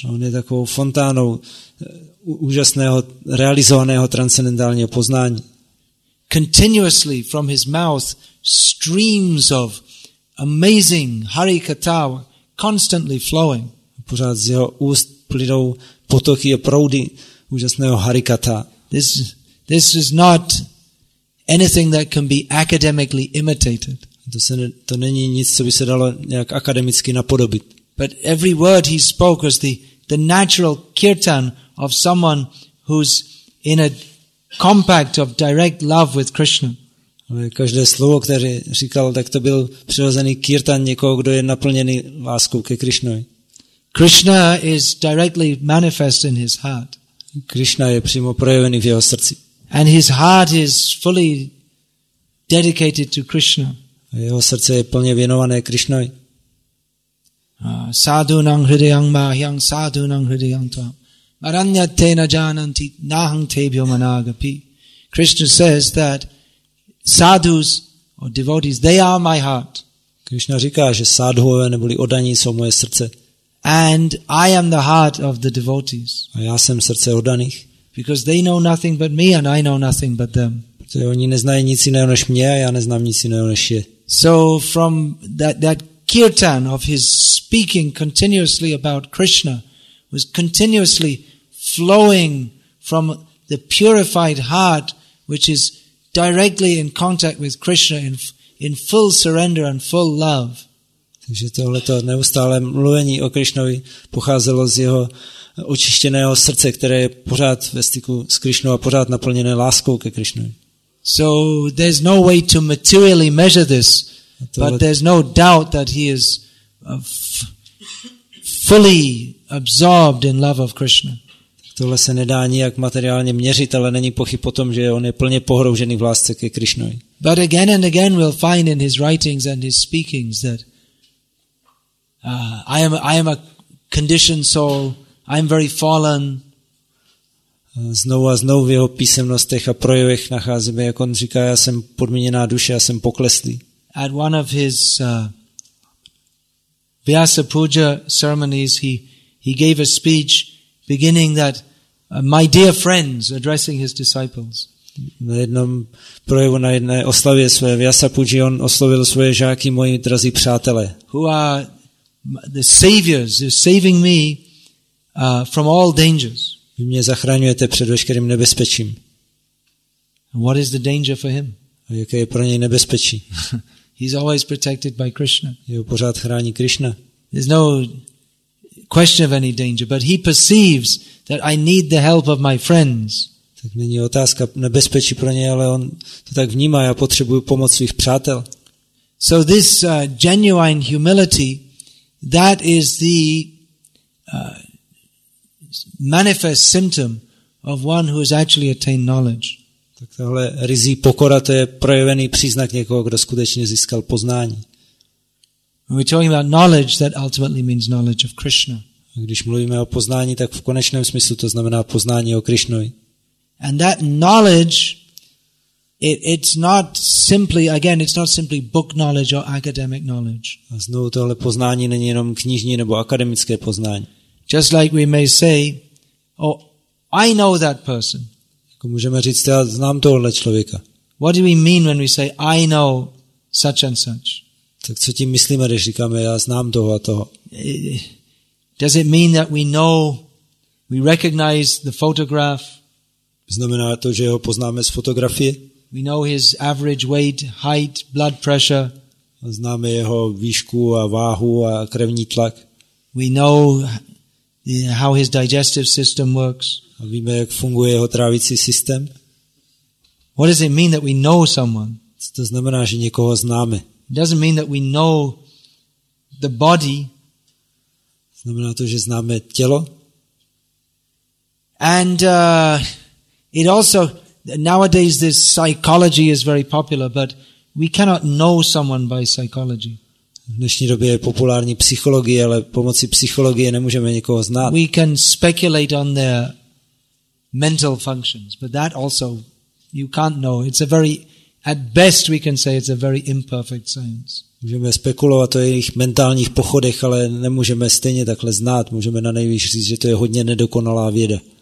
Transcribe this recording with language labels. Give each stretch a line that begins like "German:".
Czech: On je takovou fontánou úžasného realizovaného transcendentálního poznání.
English: Continuously from his mouth streams of amazing harikatha constantly flowing.
Czech: Pořád z jeho úst plynou potoky a proudy úžasného harikatha.
English: This is not anything that can be academically imitated.
Czech: To není nic, co by se dalo nějak akademicky napodobit.
English: But every word he spoke was the natural kirtan of someone who's in a compact of direct love with Krishna.
Czech: Každé slovo, které říkal, tak to byl přirozený kirtan někoho, kdo je naplněný láskou ke Krishnovi.
English: Krishna is directly manifest in his heart.
Czech: Krishna je přímo projevený v jeho srdci.
English: And his heart is fully dedicated to Krishna.
Czech: A jeho srdce je plně věnované Krishnovi.
Sanskrit: Sadhu nang hridayang mahyang sadhu nang hridayang tvam. Maranyate na jananti nahang tebhyo managapi.
English: Krishna says that sadhus or devotees, they are my heart.
Czech: Krishna říká, že sadhuové neboli oddaní jsou moje srdce.
English: And I am the heart of the devotees.
Czech: A já jsem srdce oddaných.
English: Because they know nothing but me and I know nothing but them.
Czech: Protože oni neznají nic jiného než mě a já neznám nic jiného než je.
English: So from that kirtan of his speaking continuously about Krishna was continuously flowing from the purified heart which is directly in contact with Krishna in full surrender and full love.
Czech: Takže tohleto neustále mluvení o Krišnovi pocházelo z jeho očištěného srdce, které je pořád ve styku s Krišnou a pořád naplněné láskou ke Krišnovi.
English: So there's no way to materially measure this, but there's no doubt that he is fully absorbed in love of Krishna.
Czech: Tohle se nedá nijak materiálně měřit, ale není pochyb o tom, že on je plně pohroužený v lásce ke Krišnovi.
English: But again and again we'll find in his writings and his speakings that I am a conditioned soul. I'm very fallen.
Czech: Znovu a znovu v jeho písemnostech a projevech nacházíme, jak on říká, já jsem podmíněná duše, já jsem pokleslý.
English: At one of his Vyasa Puja ceremonies, he gave a speech beginning that my dear friends, addressing his disciples.
Czech: Na jednom projevu na jedné oslavě své Vyasa Puji, on oslovil svoje žáky, moji drazí přátelé.
English: Who are the saviors, is saving me from all dangers.
Czech: Vy mě zachraňujete před veškerým nebezpečím.
English: And what is the danger for him?
Czech: A jaké je pro něj nebezpečí?
English: He's always protected by Krishna.
Czech: Jeho pořád chrání Krishna.
English: There's no question of any danger, but he perceives that I need the help of my friends.
Czech: Tak není otázka nebezpečí pro něj, ale on to tak vnímá, já potřebuju pomoc svých přátel.
English: So this genuine humility, that is the manifest symptom of one who has actually attained knowledge.
Czech: Tak tohle ryzí pokora, to je projevený příznak někoho, kdo skutečně získal poznání.
English: We're talking about knowledge, that ultimately means knowledge of Krishna.
Czech: A když mluvíme o poznání, tak v konečném smyslu to znamená poznání o Krišnovi.
English: And that knowledge, it's not simply, again, it's not simply book knowledge or academic knowledge.
Czech: A znovu tohle poznání není jenom knižní nebo akademické poznání.
English: Just like we may say, oh, I know that person.
Czech: Jako můžeme říct, já znám tohle člověka.
English: What do we mean when we say, I know such and such?
Czech: Tak co tím myslíme, když říkáme, já znám toho a toho?
English: Does it mean that we know, we recognize the photograph?
Czech: Znamená to, že ho poznáme z fotografie?
English: We know his average weight, height, blood pressure.
Czech: Známe jeho výšku a váhu a krevní tlak.
English: We know how his digestive system works.
Czech: A víme, jak funguje jeho trávicí systém.
English: What does it mean that we know someone?
Czech: Co to znamená, že někoho známe?
English: It doesn't mean that we know the body.
Czech: Znamená to, že známe tělo.
English: And it also, nowadays this psychology is very popular, but we cannot know someone by psychology.
Czech: V dnešní době je populární psychologie, ale pomocí psychologie nemůžeme někoho znát.
English: We can speculate on their mental functions, but that also you can't know. It's a very, at best we can say it's a very imperfect science.
Czech: Můžeme spekulovat o jejich mentálních pochodech, ale nemůžeme stejně takhle znát. Můžeme na nejvíc říct, že to je hodně nedokonalá věda.